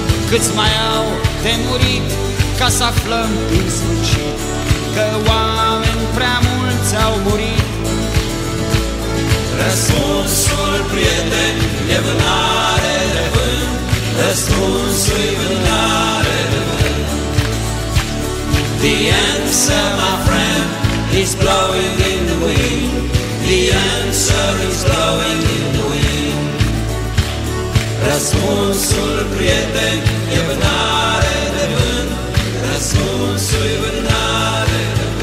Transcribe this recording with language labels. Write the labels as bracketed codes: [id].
[ro] Câți mai au de murit ca să aflăm din sfârșit că oameni prea mulți au murit? Răspunsul, prieten, e vânare de vânt. Răspunsul-i vânare de vânt. [en] The answer, my friend, is blowing in the wind. The answer is blowing in the wind. [ro] Răspunsul, prieten, e vânare de vânt. Răspunsul-i vânare de